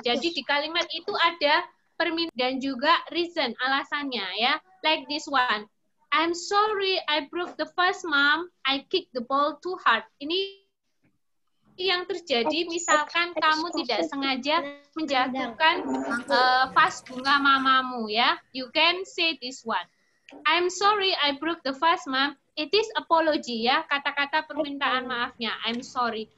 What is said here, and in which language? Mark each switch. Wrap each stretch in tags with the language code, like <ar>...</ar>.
<id>Jadi, di kalimat itu ada permintaan dan juga</id> <en>reason,</en> <id>alasannya, ya.</id> <en>Like this one. I'm sorry I broke the first mom, I kicked the ball too hard.</en> <id>Ini yang terjadi misalkan kamu tidak sengaja menjatuhkan vas bunga mamamu ya.</id> <en>You can say this one. I'm sorry I broke the first mom, it is apology ya,</en> <id>kata-kata permintaan maafnya.</id> <en>I'm sorry.</en>